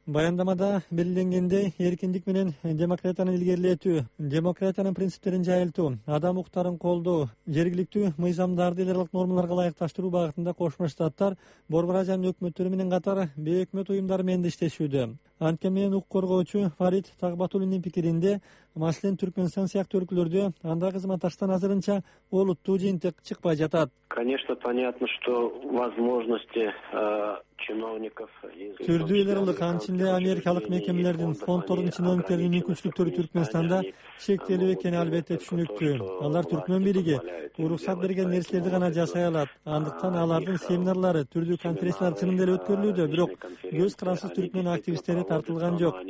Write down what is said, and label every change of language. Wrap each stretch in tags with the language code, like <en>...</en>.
<ky>Баяндамада белгиленгендей, эркиндик менен демократияны илгерилетүү, демократиянын принциптерин жайылтуу, адам укуктарын колдоо, жергиликтүү мыйзамдарды элалык нормаларга ылайыкташтыруу багытында Кошмо Штаттар Борбор Азиянын өкмөттөрү менен катар бейөкмөт уюмдар менен да иштешүүдө. Анткени менен укук коргоочу Фарид Тагбатулиндин пикиринде, маселен Түркмөнстан сыяктуу өлкөлөрдө андай кызматташтан азырынча олуттуу жыйынтык чыкпай жатат.</ky> <ru>Конечно, понятно, что возможности чиновников из</ru> <ky>Түрдүү эл аралык, анын ичинде Америкалык мекемелердин, фондтордун чиновниктеринин мүмкүнчүлүктөрү Түркмөнстанда чектелүү экени албетте түшүнүктүү. Алар түркмөн бириги уруксат берген нерселерди гана жасай алат. Андыктан алардын семинарлары, түрдүү конференциялар чынында эле өткөрүлүүдө, бирок көз карасыз түркмөн активисттери тартылган жок.</ky>